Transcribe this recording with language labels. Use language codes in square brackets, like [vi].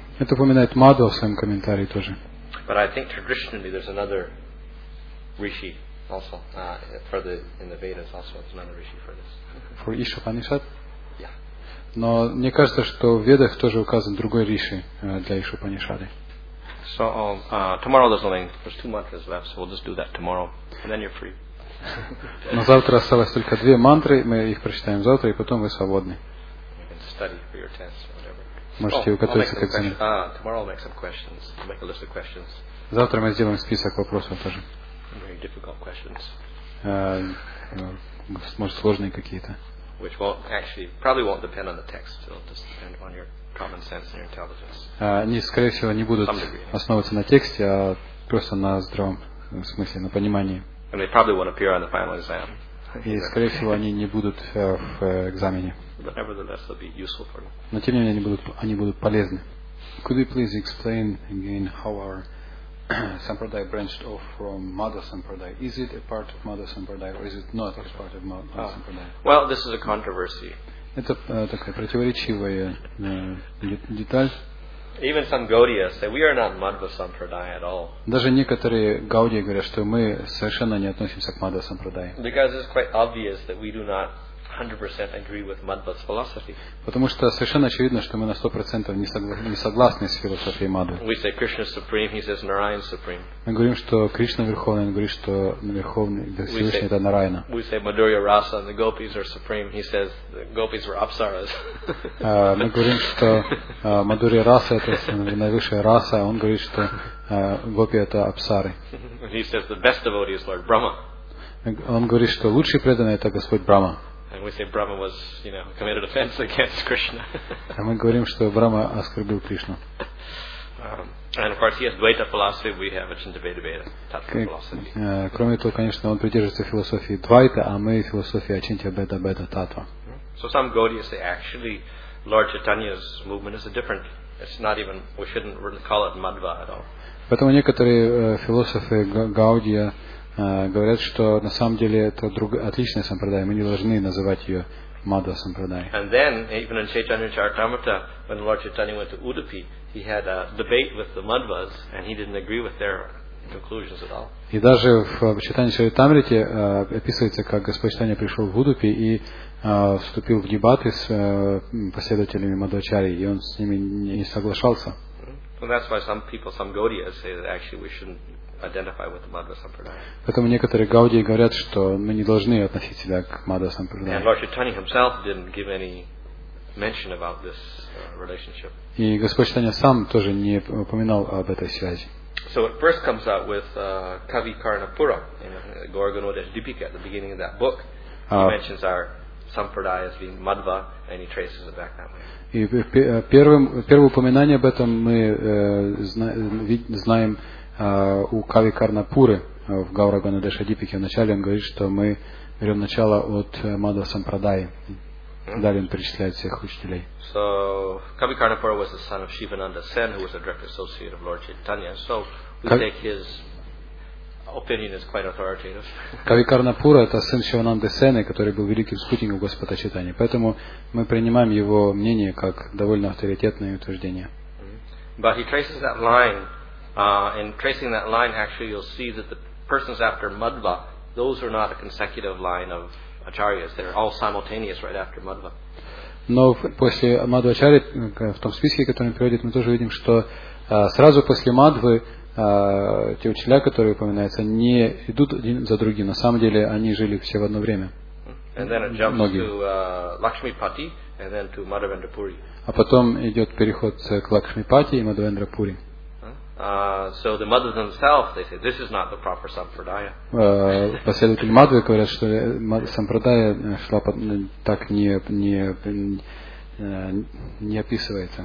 [ru] Это упоминает Мадхва в своем комментарии тоже. [en] But I think traditionally there's another Rishi also for the in the Vedas also it's another Rishi for this. For Ishvapanishad? Yeah. [ru] Но мне кажется, что в Ведах тоже указан другой риши для Ишупанишады. [en] So tomorrow there's two mantras left, so we'll just do that tomorrow, and then you're free. [ru] Но завтра осталось только две мантры, мы их прочитаем завтра, и потом вы свободны. [en] You can study for your tests or whatever. [ru] Можете готовиться к экзамену. [en] Tomorrow I'll make some questions. I'll make a list of questions. [ru] Завтра мы сделаем список вопросов тоже. [en] Very difficult questions. [ru] Может, сложные какие-то. [en] Which won't actually probably won't depend on the text. It'll just depend on your common sense and your intelligence. [ru] Они, скорее всего, не будут основываться на тексте, а просто на здравом смысле, на понимании. [en] And they probably won't appear on the final exam. [ru] И, скорее всего, они не будут в экзамене. [en] But nevertheless, they'll be useful for them. [ru] Но тем не менее, они будут полезны. [en] Could you please explain again how our Sampradaya branched off from Madhva Sampradaya? Is it a part of Madhva Sampradaya or is it not a part of Madhva Sampradaya? Well, this is a controversy. [ru] Это такая противоречивая деталь. [en] Even some Gaudiyas say we are not Madhva Sampradaya at all. [ru] Даже некоторые Гаудии говорят, что мы совершенно не относимся к Madhva Sampradaya. [en] Because it's quite obvious that we do not 100% agree with Madhva's philosophy. [ru] Потому что совершенно очевидно, что мы на 100% не согласны с философией Мадхвы. [en] We say Krishna is supreme, he says Narayan is supreme. [ru] Мы говорим, что Кришна верховный, он говорит, что верховный Всевышний это Нараяна. [en] We say Madhurya Rasa and the gopis are supreme, he says the gopis were apsaras. [ru] Мы говорим, что Madhurya Rasa это наивысшая раса, он говорит, что гопи это апсары. [en] He says the best devotee is Lord Brahma. [ru] Он говорит, что лучший преданный это Господь Брахма. [en] And we say Brahma was, you know, committed offense against Krishna. And [ru] мы говорим, что Брахма оскорбил Кришну. [en] And of course, he has Dvaita philosophy. We have Achintabheda Veda, Tatva philosophy. [ru] Кроме того, конечно, он придерживается философии Двайта, а мы философии Ачинтья Беда Татва. [en] So some Gaudiyas say actually, Lord Chaitanya's movement is a different. It's not even. We shouldn't really call it Madhva at all. [ru] Поэтому некоторые философы Гаудия говорят, что на самом деле это отличная сампрадая, мы не должны называть ее Мадва Сампрадай. [en] And then, even in Chaitanya Charitamrita, when Lord Chaitanya went to Udupi, he had a debate with the Madhvas, and he didn't agree with their conclusions at all. [ru] И даже в Чайтанья Чаритамрите описывается, как Господь Чайтанья пришел в Удупи и вступил в дебаты с последователями Мадвачари, и он с ними не соглашался. [en] And that's why some people, some Gaudiyas, say that actually we shouldn't identify with the Madhva Sampradaya. [ru] Поэтому некоторые гаудии говорят, что мы не должны относить себя к Мадхва Сампрадай. [en] And Lord Chaitanya himself didn't give any mention about this relationship. [ru] И Господь Чайтанья сам тоже не упоминал об этой связи. [en] So it first comes out with Kavi Karnapura in Gauranga Deepika at the beginning of that book. He mentions our Sampradaya as being Madhva, and he traces it back that way. [ru] И первое упоминание об этом мы знаем у Кави Карнапуры в Гаурагана Деша Дипике. Вначале он говорит, что мы берем начало от Мадхва Сампрадаи. Далее он перечисляет всех учителей. [en] So, Kavi Karnapura was the son of Shivananda Sen, who was a direct associate of Lord Chaitanya. So, take his opinion is quite authoritative. [ru] Kavi Karnapura это сын Шивананды Сены, который был великим спутником Господа Чайтаньи. Поэтому мы принимаем его мнение как довольно авторитетное утверждение. [en] But he traces that line. In tracing that line, actually, you'll see that the persons after Madhva, those are not a consecutive line of acharyas. They're all simultaneous right after Madhva. [ru] Но после Мадвачари в том списке, который приводит, мы тоже видим, что сразу после Мадвы те учителя, которые упоминаются, не идут один за другим. На самом деле, они жили все в одно время. [en] And then it jumps to Lakshmipati, and then to Madhavendrapuri. [ru] А потом идет переход к Лакшмипати и Мадхавендрапури. [en] So the Madhvas themselves, they say, this is not the proper Sampradaya. [ru] Последователи Мадвы говорят, что Сампрадая шла так не описывается.